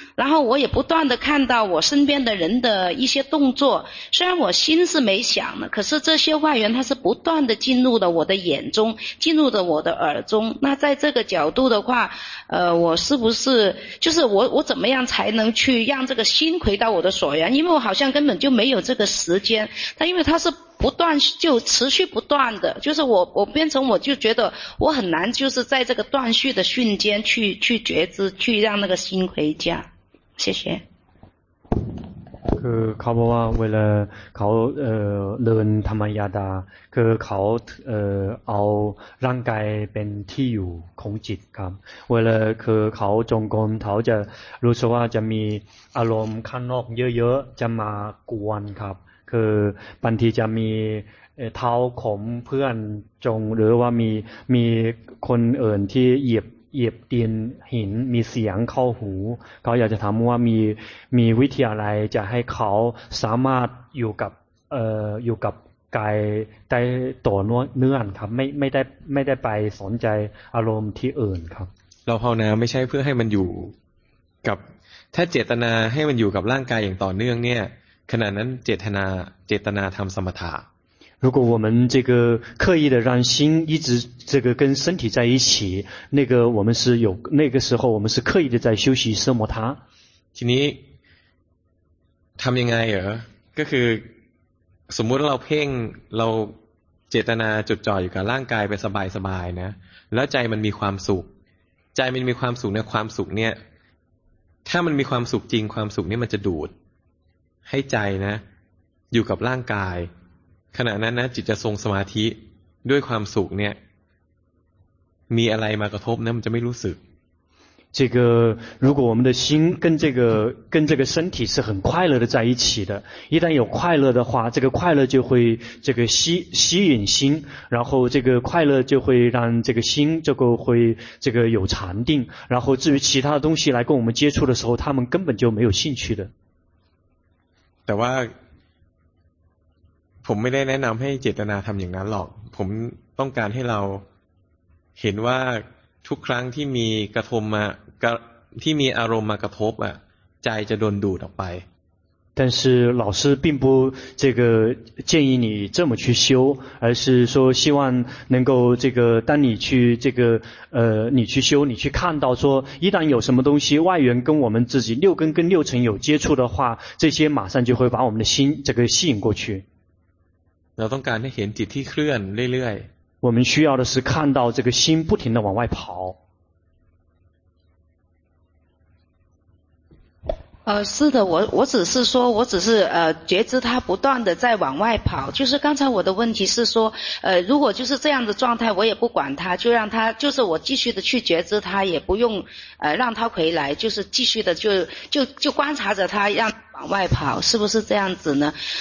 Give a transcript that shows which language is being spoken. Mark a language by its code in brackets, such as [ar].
[zh] 然后我也不断的看到我身边的人的一些动作，虽然我心是没想的，可是这些外缘他是不断的进入了我的眼中，进入了我的耳中，那在这个角度的话我是不是就是我怎么样才能去让这个心回到我的所缘？因为我好像根本就没有这个时间，但因为他是不断就持续不断的，就是我变成我就觉得我很难就是在这个断续的瞬间去觉知，去让那个心回家。谢谢。 [th] คือเขาบอกว่าเวลาเขาเดินธรรมยาดาคือเขาเอาร่างกายเป็นที่อยู่ของจิตครับเวลาคือเขาจงกรมเขาจะรู้สึกว่าจะมีอารมณ์ข้างนอกเยอะๆจะมากวนครับคือบางทีจะมี เท้าขมเพื่อนจงหรือว่ามีคนอื่นที่เหยียบดินหินมีเสียงเข้าหูเขาอยากจะถามว่ามีวิธีอะไรจะให้เขาสามารถอยู่กับกายได้ต่อเนื่องครับไม่ได้ไปสนใจอารมณ์ที่อื่นครับ เราภาวนาไม่ใช่เพื่อให้มันอยู่กับถ้าเจตนาให้มันอยู่กับร่างกายอย่างต่อเนื่องเนี่ยขณะนั้นเจตนาทำสมถะ [zh] 如果我们这个刻意的让心一直这个跟身体在一起，那个我们是有那个时候我们是刻意的在休息奢摩他。 [th] ทีนี้ทำยังไงเหรอก็คือสมมติเราเพ่งเราเจตนาจดจ่ออยู่กับร่างกายไปสบายสบายนะแล้วใจมันมีความสุขใจมันมีความสุขเนี่ยความสุขเนี่ยถ้ามันมีความสุขจริงความสุขนี่มันจะดูดให้ใจนะอยู่กับร่างกายขณะนั้นนะจิตจะทรงสมาธิด้วยความสุขเนี่ยมีอะไรมากระทบนะมันจะไม่รู้สึก [zh] 这个如果我们的心跟这个身体是很快乐的在一起的，一旦有快乐的话，这个快乐就会这个吸引心，然后这个快乐就会让这个心这个会这个有禅定，然后至于其他的东西来跟我们接触的时候，他们根本就没有兴趣的。 [th] แต่ว่าผมไม่ได้แนะนำให้เจตนาทำอย่างนั้นหรอกผมต้องการให้เราเห็นว่าทุกครั้งที่มีกระทบมาที่มีอารมณ์มากระทบอ่ะใจจะโดนดูดออกไป [zh] 但是老师并不这个建议你这么去修，而是说希望能够这个当你去这个你去修，你去看到说一旦有什么东西外缘跟我们自己六根跟六尘有接触的话，这些马上就会把我们的心这个吸引过去。 [th] เราต้องการให้เห็นจิตที่เคลื่อนเรื่อย [zh] ๆ我们需要的是看到这个心不停的往外跑是的我只是说我只是觉知它不断的在往外跑就是刚才我的问题是说如果就是这样的状态我也不管它就让它就是我继续的去觉知它也不用让它回来就是继续的就观察着它让往外跑是不是这样子呢